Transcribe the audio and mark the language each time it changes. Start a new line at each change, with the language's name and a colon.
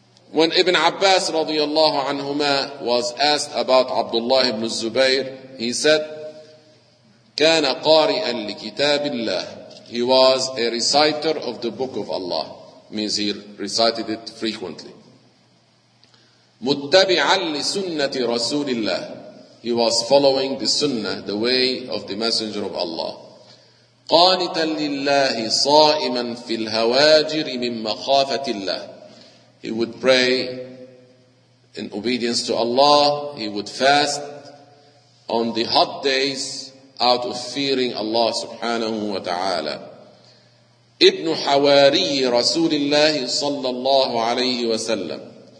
English: When Ibn Abbas radiyallahu anhuma was asked about Abdullah ibn Zubayr, he said,
Arabic: كان قارئا لكتاب الله.
English: He was a reciter of the book of Allah. Means he recited it frequently.
Arabic: متبعا لسنة رسول الله.
English: He was following the sunnah, the way of the messenger of Allah.
Arabic: قانتا لله صائما في الهواجر من مخافة الله.
English: He would pray in obedience to Allah. He would fast on the hot days out of fearing Allah subhanahu wa ta'ala. Ibn Hawari Rasulullah sallallahu alayhi wa sallam.